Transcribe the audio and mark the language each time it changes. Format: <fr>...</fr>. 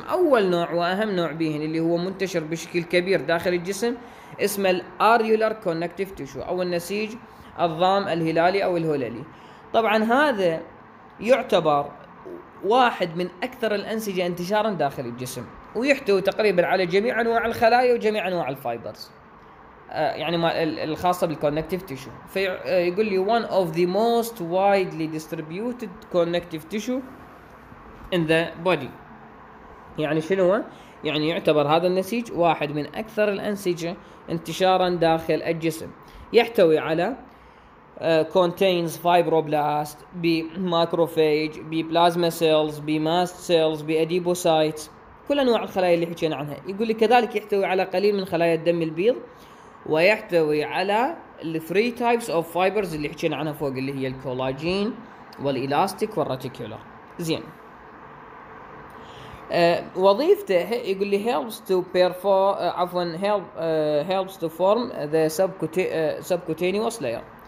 <ar>اول نوع واهم نوع بيهن اللي هو منتشر بشكل كبير داخل الجسم اسمه الاريولار كونكتيف تيشو او النسيج الضام الهلالي او الهلالي. طبعا هذا يعتبر واحد من اكثر الانسجه انتشارا داخل الجسم ويحتوي تقريبا على جميع انواع الخلايا وجميع انواع الفايبرز يعني ما الخاصة بالconnective tissue. فيقول لي</ar> <en>one of the most widely distributed connective tissue in the body.</en> <ar>يعني شنو؟ يعني يعتبر هذا النسيج واحد من أكثر الأنسجة انتشارا داخل الجسم. يحتوي على</ar> <en>contains fibroblasts, macrophages, plasma cells, mast cells, adipocytes.</en> <ar>كل أنواع الخلايا اللي حكينا عنها. يقول لي كذلك يحتوي على قليل من خلايا الدم البيض. ويحتوي على الثري تايبس اوف فايبرز اللي حكينا عنها فوق اللي هي الكولاجين والإلاستيك والراتيكولار. زين وظيفته يقول لي</ar> <en>Helps to perform عفوا helps to form the subcutaneous layer.</en>